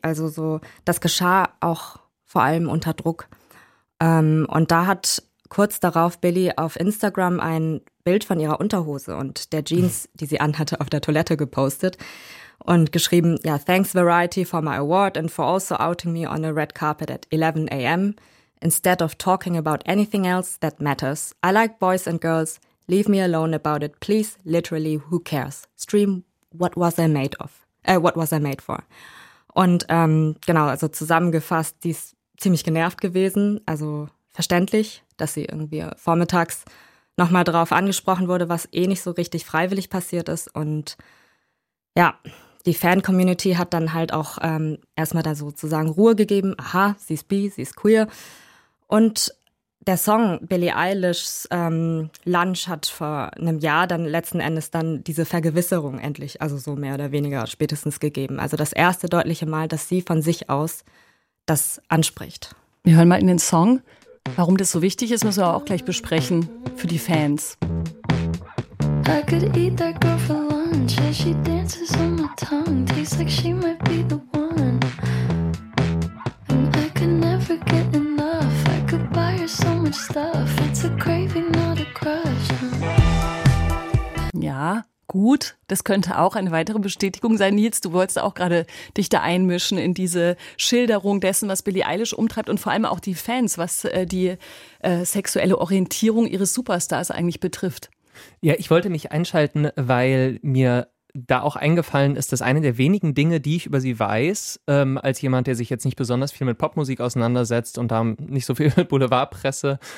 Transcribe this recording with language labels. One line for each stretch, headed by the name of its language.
German: Also so, das geschah auch vor allem unter Druck. Und da hat kurz darauf Billie auf Instagram ein Bild von ihrer Unterhose und der Jeans, die sie anhatte, auf der Toilette gepostet und geschrieben, ja,
English: thanks Variety for my award and for also outing me on a red carpet at 11 a.m. Instead of talking about anything else that matters, I like boys and girls. Leave me alone about it, please, literally, who cares? Stream, what was I made for?
German: Und genau, also zusammengefasst, die ist ziemlich genervt gewesen, also verständlich, dass sie irgendwie vormittags nochmal darauf angesprochen wurde, was eh nicht so richtig freiwillig passiert ist. Und ja, die Fan-Community hat dann halt auch erstmal da sozusagen Ruhe gegeben. Aha, sie ist bi, sie ist queer. Und der Song Billie Eilish's Lunch hat vor einem Jahr dann letzten Endes dann diese Vergewisserung endlich, also so mehr oder weniger spätestens gegeben. Also das erste deutliche Mal, dass sie von sich aus das anspricht. Wir hören mal in den Song. Warum das so wichtig ist, müssen wir auch gleich besprechen für die Fans.
English: I could eat that girl for lunch, yeah, she dances on my tongue, tastes like she might be the one. And I could never get enough, I could buy her so much stuff, it's a craving, not a crush.
German: Ja, gut, das könnte auch eine weitere Bestätigung sein. Nils, du wolltest auch gerade dich da einmischen in diese Schilderung dessen, was Billie Eilish umtreibt und vor allem auch die Fans, was die sexuelle Orientierung ihres Superstars eigentlich betrifft. Ja, ich wollte mich einschalten, weil mir da auch eingefallen ist, dass eine der wenigen Dinge, die ich über sie weiß, als jemand, der sich jetzt nicht besonders viel mit Popmusik auseinandersetzt und da nicht so viel mit Boulevardpresse